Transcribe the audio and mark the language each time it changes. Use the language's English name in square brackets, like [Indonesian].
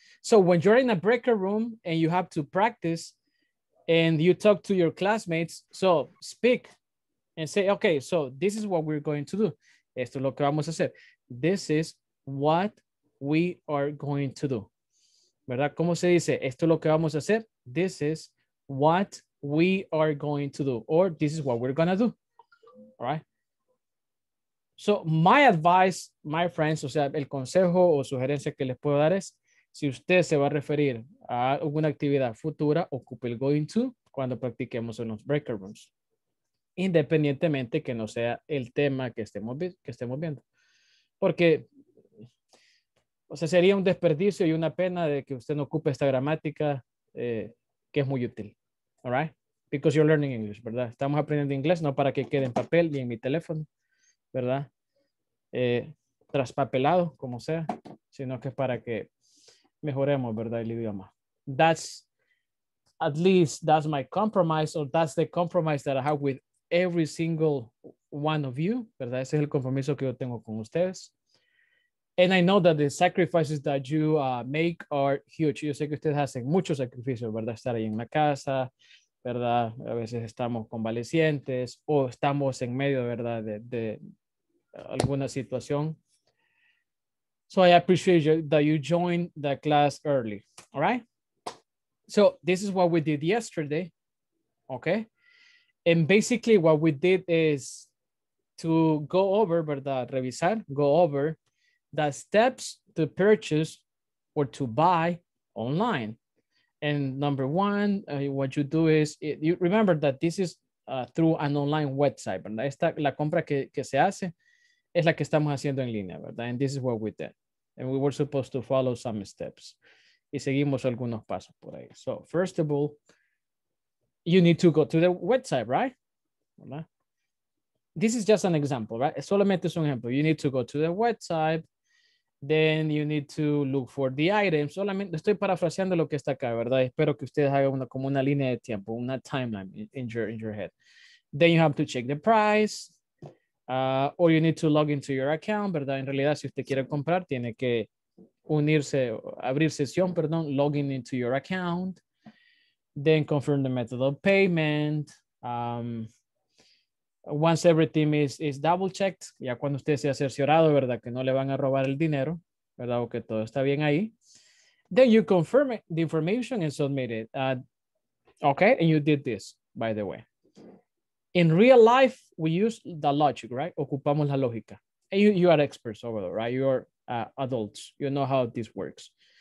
[English] So when you're in a breaker room and you have to practice and you talk to your classmates, so speak and say, okay, so this is what we're going to do. [Spanish] Esto es lo que vamos a hacer. [English] This is what we are going to do. [Spanish] ¿Verdad? ¿Cómo se dice? Esto es lo que vamos a hacer. [English] This is what we are going to do, or this is what we're going to do, all right? So my advice, my friends, [Spanish] o sea, el consejo o sugerencia que les puedo dar es, si usted se va a referir a alguna actividad futura, ocupe el going to cuando practiquemos en los breaker rooms, independientemente que no sea el tema que estemos viendo. Porque, o sea, sería un desperdicio y una pena de que usted no ocupe esta gramática que es muy útil. [English] All right, because you're learning English, [Spanish] ¿verdad? Estamos aprendiendo inglés, no para que quede en papel ni en mi teléfono, ¿verdad? Traspapelado, como sea, sino que es para que mejoremos, ¿verdad? El idioma. [English] That's, at least, that's my compromise, or that's the compromise that I have with every single one of you, ¿verdad? [Spanish] Ese es el compromiso que yo tengo con ustedes. [English] And I know that the sacrifices that you make are huge. [Spanish] Yo sé que ustedes hacen muchos sacrificios, ¿verdad? Estar ahí en la casa, ¿verdad? A veces estamos convalecientes o estamos en medio, ¿verdad? De alguna situación. [English] So I appreciate you, that you joined the class early, all right? So this is what we did yesterday, okay? And basically what we did is to go over, ¿verdad? [Spanish] Revisar, [English] go over the steps to purchase or to buy online. And number one, what you do is, you remember that this is through an online website, ¿verdad? [Spanish] Esta, la compra que se hace es la que estamos haciendo en línea, ¿verdad? [English] And this is what we did. And we were supposed to follow some steps. [Spanish] Y seguimos algunos pasos por ahí. [English] So first of all, you need to go to the website, right? ¿Verdad? This is just an example, right? [Spanish] Solamente es un ejemplo. [English] You need to go to the website. Then you need to look for the items. [Spanish] Solamente estoy parafraseando lo que está acá, ¿verdad? Espero que ustedes hagan una, como una línea de tiempo, una [English] timeline in your head. Then you have to check the price. Or you need to log into your account, ¿verdad? [Spanish] En realidad, si usted quiere comprar, tiene que unirse, abrir sesión, perdón, [English] logging into your account. Then confirm the method of payment. Once everything is double checked, [Spanish] ya cuando usted se ha cerciorado, ¿verdad? Que no le van a robar el dinero, ¿verdad? O que todo está bien ahí. [English] Then you confirm it, the information and submit it. Okay, and you did this, by the way. In real life, we use the logic, right? [Spanish] Ocupamos la lógica. [English] And you are experts over there, right? You are adults. You know how this works.